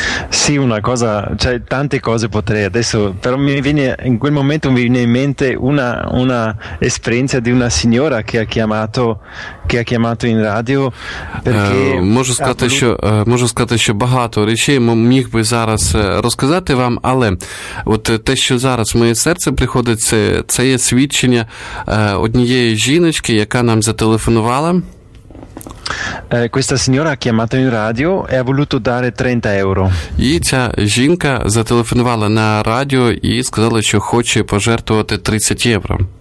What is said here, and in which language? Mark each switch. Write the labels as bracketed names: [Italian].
[Italian] Sì, una cosa, cioè tante cose potrei adesso, però mi viene in quel momento mi viene in mente una esperienza di una signora che ha chiamato in radio perché [Ukrainian] можу сказати, що багато речей міг би зараз розказати вам, але от те, що зараз в моє серце приходить, це є свідчення однієї жіночки, яка нам зателефонувала. [Italian] Questa signora ha chiamato in radio e ha voluto dare 30 euro. [Ukrainian] І ця жінка зателефонувала на радіо і сказала, що хоче пожертвувати 30 євро.